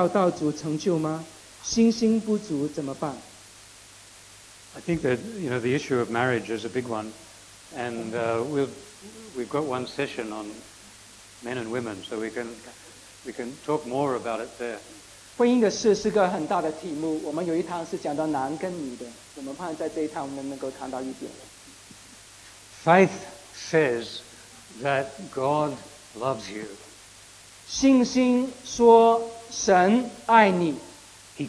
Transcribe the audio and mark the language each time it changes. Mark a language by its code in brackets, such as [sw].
[zh] 就是如果是为做婚姻祷告了很久，主还没有成就，我也没有守独生的恩赐，有很多的压力，该怎么办？一直祷告到主成就吗？信心不足怎么办？ [en] I think that you know the issue of marriage is a big one, and we've got one session on men and women, so we can talk more about it there. [zh] 婚姻的事是个很大的题目，我们有一堂是讲到男跟女的，我们盼在这一堂我们能够谈到一点。 [en] Faith says that God loves you. [zh] 信心说神爱你。 [en] He